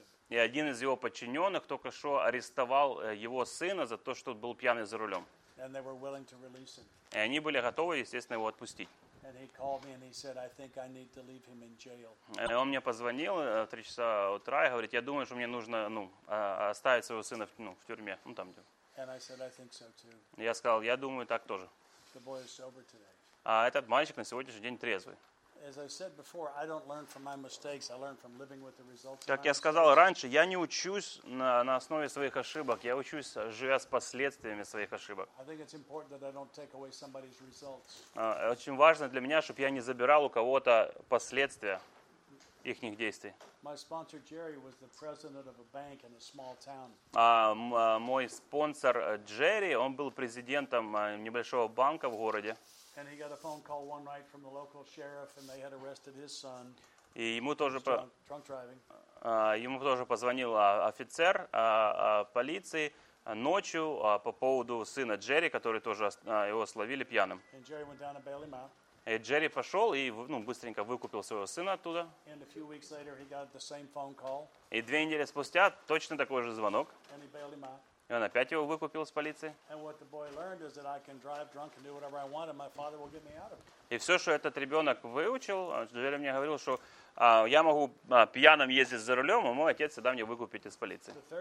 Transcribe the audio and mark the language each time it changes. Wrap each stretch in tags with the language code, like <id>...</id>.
<ru>И один из его подчиненных только что арестовал его сына за то, что он был пьяный за рулем.</ru> <en>And they were willing to release him.</en> <ru>И они были готовы, естественно, его отпустить.</ru> <en>And he called me and he said, I think I need to leave him in jail.</en> <ru>И он мне позвонил в 3 часа утра и говорит, я думаю, что мне нужно, оставить своего сына, в тюрьме, там где.</ru> <en>And I said, I think so too.</en> <ru>Я сказал, я думаю, так тоже.</ru> <en>The boy is sober today.</en> <ru>А этот мальчик на сегодняшний день трезвый.</ru> <en>As I said before, I don't learn from my mistakes. I learn from living with the results.</en> <ru>Как я сказал раньше, я не учусь на основе своих ошибок. Я учусь, живя с последствиями своих ошибок.</ru> <en>I think it's important that I don't take away somebody's results.</en> <ru>Очень важно для меня, чтобы я не забирал у кого-то последствия ихних действий.</ru> <en>My sponsor Jerry was the president of a bank in a small town.</en> <ru>Мой спонсор Джерри, он был президентом небольшого банка в городе.</ru> <en>And he got a phone call one night from the local sheriff, and they had arrested his son.</en> <ru>И ему тоже</ru> <en>drunk driving.</en> <ru>Ему тоже позвонил офицер полиции ночью по поводу сына Джерри, который тоже его словили пьяным.</ru> <en>And Jerry went down to bail him out.</en> <ru>И Джерри пошел и быстренько выкупил своего сына оттуда.</ru> <en>And a few weeks later, he got the same phone call.</en> <ru>И 2 недели спустя точно такой же звонок.</ru> <en>And he bailed him out.</en> <ru>И он опять его выкупил с полиции. И все, что этот ребенок выучил, Джерри мне говорил, что я могу пьяным ездить за рулем, а мой отец всегда мне выкупит из полиции.</ru>